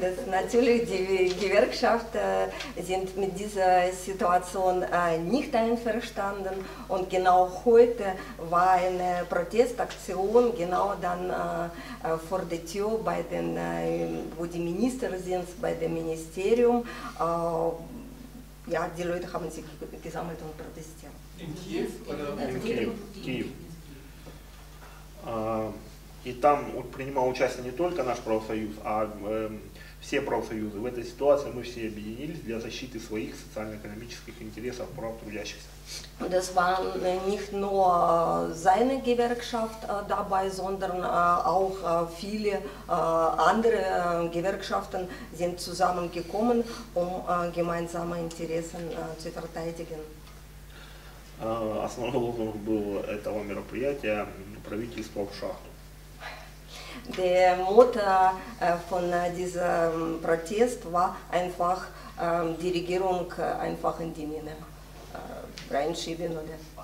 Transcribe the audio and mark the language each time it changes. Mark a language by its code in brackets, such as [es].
[de] Natürlich, die Gewerkschaft sind mit dieser Situation nicht einverstanden und genau heute war eine Protestaktion, genau dann vor der Tür, bei den, wo die Minister sind, bei dem Ministerium. Ja, die Leute haben sich gesammelt und protestiert. In Kiew oder in Kiew? Kiew. [ru] И там принимал участие не только наш профсоюз, а все профсоюзы. В этой ситуации мы все объединились для защиты своих социально-экономических интересов, прав трудящихся. [de] Das war nicht nur seine Gewerkschaft dabei, sondern auch viele andere Gewerkschaften sind zusammengekommen, um gemeinsame Interessen zu verteidigen. [ru] Основной лозунг был этого мероприятия «Правительство в шахту». [de] Der Motto von diesem Protest war einfach, die Regierung einfach in die Mine reinschieben, oder?